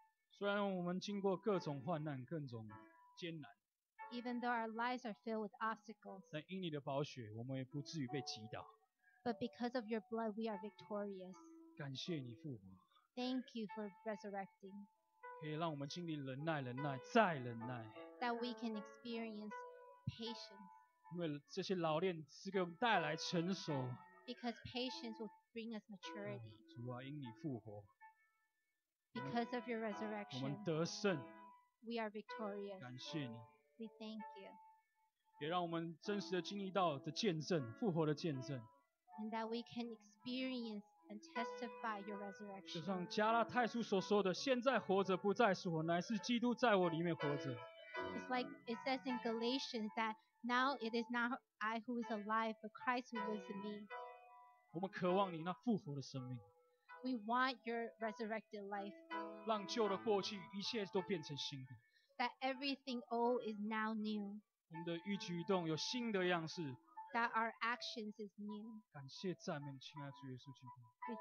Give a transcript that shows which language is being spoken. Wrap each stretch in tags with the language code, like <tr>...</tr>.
<zh>虽然我们经过各种患难，各种艰难。</zh> <en>Even though our lives are filled with obstacles.</en> <zh>但因你的宝血，我们也不至于被击倒。</zh> <en>But because of your blood, we are victorious.</en> <zh>感谢你复活。</zh> <en>Thank you for resurrecting.</en> <zh>可以让我们经历忍耐，忍耐，再忍耐。</zh> <en>That we can experience patience.</en> <zh>因为这些老练赐给我们带来成熟。</zh> <en>Because patience will bring us maturity.</en> <zh>主啊, 因你复活,</zh> <en>because of your resurrection,</en> <zh>我们得胜,</zh> <en>we are victorious.</en> <zh>感谢你,</zh> <en>we thank you.</en> <zh>也让我们真实的经历到的见证, 复活的见证,</zh> <en>and that we can experience and testify your resurrection.</en> <zh>就像加拉太书所说的, 现在活着不再是我, 乃是基督在我里面活着。</zh> <en>It's like it says in Galatians that now it is not I who is alive, but Christ who lives in me.</en> <zh>我们渴望你那复活的生命。 We</zh> <en>want your resurrected life.</en> <zh>让旧的过去一切都变成新的。 That</zh> <en>everything old is now new.</en> <zh>我们的一举一动有新的样式。 That</zh> <en>our actions is new.</en> <zh>感谢赞美亲爱的主耶稣基督。 We</zh>